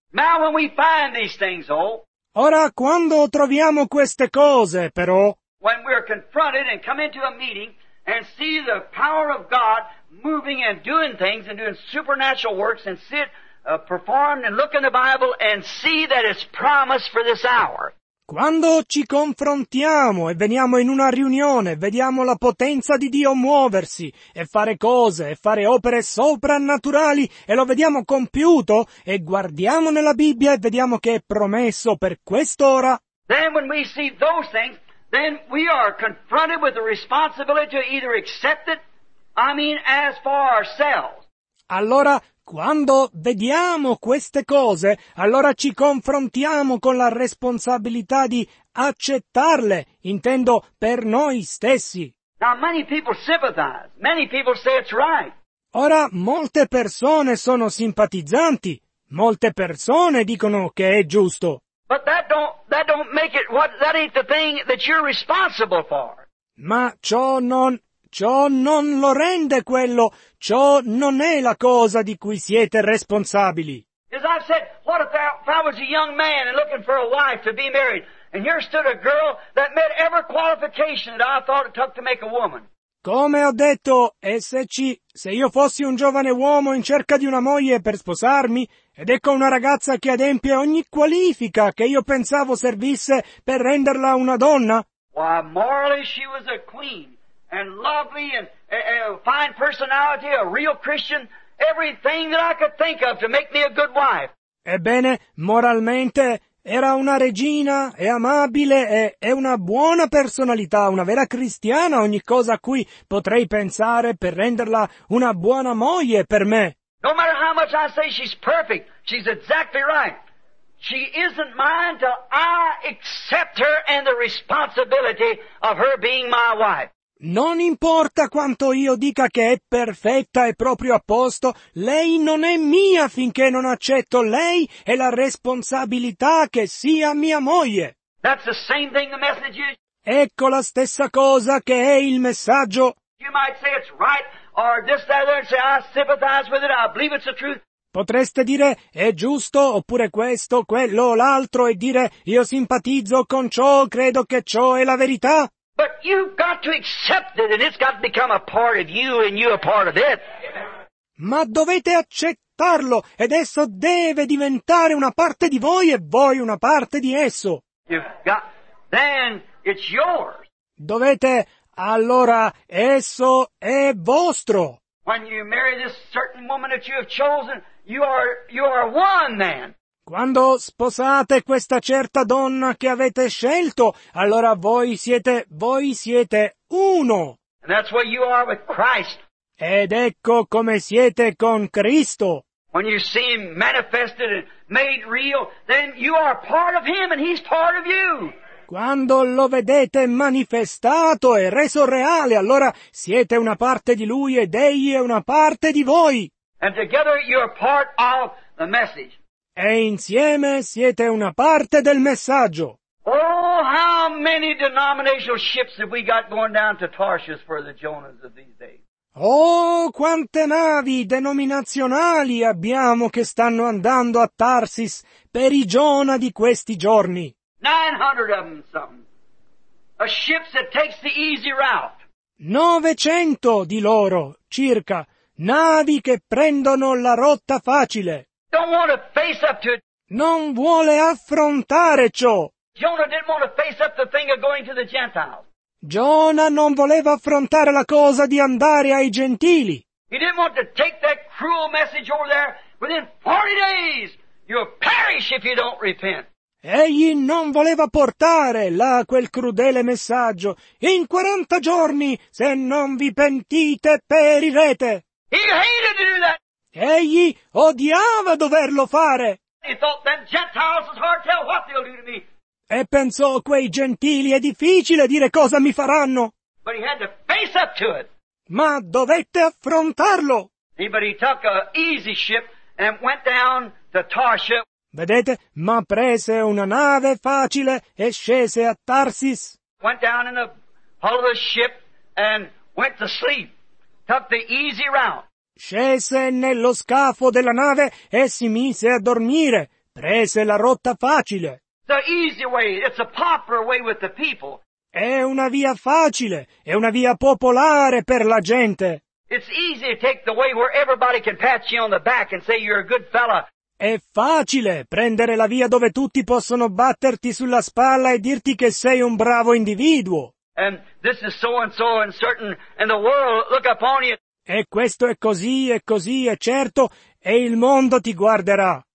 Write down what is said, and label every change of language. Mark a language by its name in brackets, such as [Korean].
[English] Now when we find these things, oh, [Italian] ora, quando troviamo queste cose, però, [English] when we are confronted and come into a meeting and see the power of God moving and doing things and doing supernatural works and sit performed and look in the Bible and see that it's promised for this hour. [Italian] Quando ci confrontiamo e veniamo in una riunione, vediamo la potenza di Dio muoversi e fare cose e fare opere soprannaturali e lo vediamo compiuto e guardiamo nella Bibbia e vediamo che è promesso per quest'ora. [English] Then when we see those things, then we are confronted with the responsibility to either accept it, I mean as for ourselves. [Italian] Allora, quando vediamo queste cose, allora ci confrontiamo con la responsabilità di accettarle, intendo per noi stessi. [English] Now, many people sympathize. Many people say it's right. [Italian] Ora, molte persone sono simpatizzanti, molte persone dicono che è giusto. [English] But that don't make it what that ain't the thing that you're responsible for. [Italian] Ma ciò non lo rende quello, ciò non è la cosa di cui siete responsabili. [English] As I said, what if I was a young man and looking for a wife to be married, and here stood a girl that met every qualification that I thought it took to make a woman. [Italian] Come ho detto, e se io fossi un giovane uomo in cerca di una moglie per sposarmi, ed ecco una ragazza che adempie ogni qualifica che io pensavo servisse per renderla una donna. [English] Why, morally she was a queen. And lovely and fine personality, a real Christian, everything that I could think of to make me a good wife. [Italian] Ebbene, moralmente era una regina, è amabile e è una buona personalità, una vera cristiana, ogni cosa a cui potrei pensare per renderla una buona moglie per me. [English] No matter how much I say she's perfect, she's exactly right. She isn't mine till I accept her and the responsibility of her being my wife. [Italian] Non importa quanto io dica che è perfetta e proprio a posto, lei non è mia finché non accetto lei e la responsabilità che sia mia moglie. [English] That's the same thing the message is. [Italian] Ecco la stessa cosa che è il messaggio. [English] You might say it's right, or this, that, other, and say I sympathize with it, I believe it's the truth. [Italian] Potreste dire è giusto, oppure questo, quello, l'altro, e dire io simpatizzo con ciò, credo che ciò è la verità. [English] But you've got to accept it, and it's got to become a part of you, and you a part of it. [Italian] Ma dovete accettarlo, ed esso deve diventare una parte di voi, e voi una parte di esso. [English] Then it's yours. [Italian] Dovete, allora, esso è vostro. [English] When you marry this certain woman that you have chosen, you are one man. [Italian] Quando sposate questa certa donna che avete scelto, allora voi siete uno. [English] And that's what you are with Christ. [Italian] Ed ecco come siete con Cristo. [English] When you see him manifested and made real, then you are part of him and he's part of you. [Italian] Quando lo vedete manifestato e reso reale, allora siete una parte di lui ed egli è una parte di voi. [English] And together you're part of the message. [Italian] E insieme siete una parte del messaggio. [English] Oh, how many denominational ships have we got going down to Tarshish for the Jonas of these days? [Italian] Oh, quante navi denominazionali abbiamo che stanno andando a Tarsis per i Giona di questi giorni? [English] 900 of them, something. A ship that takes the easy route. [Italian] 900 di loro, circa, navi che prendono la rotta facile. [English] Don't want to face up to it. [Italian] Non vuole affrontare ciò. [English] Jonah didn't want to face up the thing of going to the Gentiles. [Italian] Jonah non voleva affrontare la cosa di andare ai gentili. [English] He didn't want to take that cruel message over there. Within 40 days, you'll perish if you don't repent. [Italian] Egli non voleva portare là quel crudele messaggio. In 40 giorni, se non vi pentite, perirete. [English] He hated to do that. [Italian] Egli odiava doverlo fare. [English] He thought them Gentiles was hard to tell what they'll do to me. [Italian] E pensò, quei gentili, è difficile dire cosa mi faranno. [English] But he had to face up to it. [Italian] Ma dovette affrontarlo. [English] But he took an easy ship and went down to Tarsha. [Italian] Vedete, ma prese una nave facile e scese a Tarsis. [English] Went down in the hull of the ship and went to sleep. Took the easy route. [Italian] Scese nello scafo della nave e si mise a dormire. Prese la rotta facile. [English] The easy way, it's a popular way with the people. [Italian] È una via facile, è una via popolare per la gente. [English] It's easy to take the way where everybody can pat you on the back and say you're a good fella. [Italian] È facile prendere la via dove tutti possono batterti sulla spalla e dirti che sei un bravo individuo. [English] And this is so and so and certain, and the world look upon you. [Italian] E questo è così e così e certo, e il mondo ti guarderà.